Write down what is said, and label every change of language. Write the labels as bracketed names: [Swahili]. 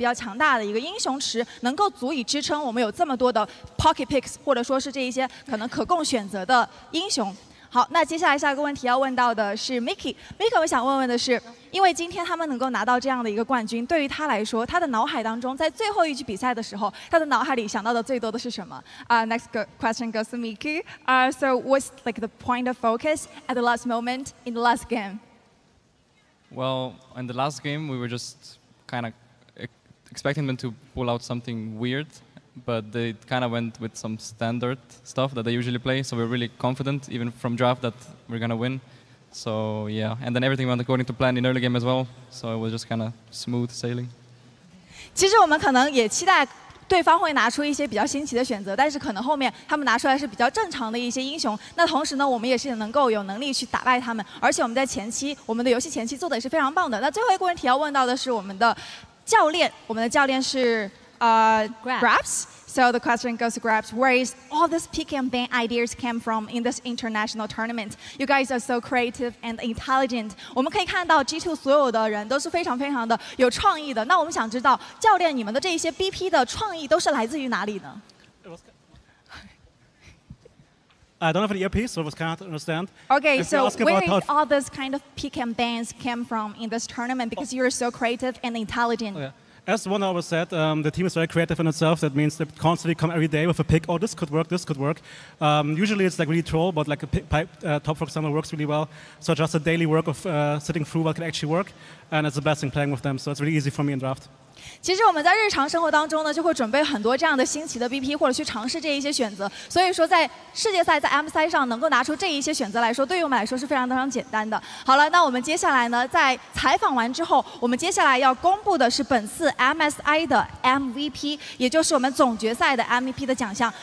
[Chinese] 其实我觉得我们的整个队伍来说都是非常非常的支持的，而且我觉得我们的这一些可能说队伍当中的一些支持以及他们的一些创意，对于我来说都是非常好的。而且我们的所有的人都会为我们的这一些可能有人如果有一个新的提议或者新的意见的话，所有人都会支持他并且付诸于实践去实验。那同时我们在后来能够有这样的一个成绩，可能是因为我有一个比较强大的一个英雄池，能够足以支撑我们有这么多的 [English] pocket picks [Chinese] 或者说是这一些可能可供选择的英雄。好，那接下来下一个问题要问到的是 Miki。 Miki， 我想问问的是，因为今天他们能够拿到这样的一个冠军，对于他来说，他的脑海当中在最后一局比赛的时候，他的脑海里想到的最多的是什么？ [English] Next question goes to Miki. So what's like the point of focus at the last moment in the last game? Well, in the last game, we were just kind of expecting them to pull out something weird, but they kind of went with some standard stuff that they usually play. So we're really confident, even from draft, that we're gonna win. So yeah, and then everything went according to plan in early game as well. So it was just kind of smooth sailing. [Chinese] 其实我们可能也期待对方会拿出一些比较新奇的选择，但是可能后面他们拿出来是比较正常的一些英雄。那同时呢，我们也是能够有能力去打败他们，而且我们在前期，我们的游戏前期做的也是非常棒的。那最后一个问题要问到的是我们的教练，我们的教练是Grabs. [English] So the question goes to Grabs. Where is all this pick and ban ideas came from in this international tournament? You guys are so creative and intelligent. [Chinese] 我们可以看到 G2 所有的人都是非常非常的有创意的。那我们想知道教练你们的这些 BP 的创意都是来自于哪里呢？ [English] I don't have an earpiece, so I can't understand. Okay, so where is all this kind of pick and bans came from in this tournament? Because you're so creative and intelligent. Oh, yeah. As one always said, the team is very creative in itself. That means they constantly come every day with a pick. Oh, this could work, this could work. Usually it's like really troll, but like a pick, top for example works really well. So just a daily work of sitting through what can actually work. And it's a blessing playing with them. So it's really easy for me in draft. [Chinese] 其实我们在日常生活当中呢，就会准备很多这样的新奇的 BP， 或者去尝试这一些选择。所以说，在世界赛在 MSI 上能够拿出这一些选择来说，对于我们来说是非常非常简单的。好了，那我们接下来呢，在采访完之后，我们接下来要公布的是本次 MSI 的 MVP， 也就是我们总决赛的 MVP 的奖项。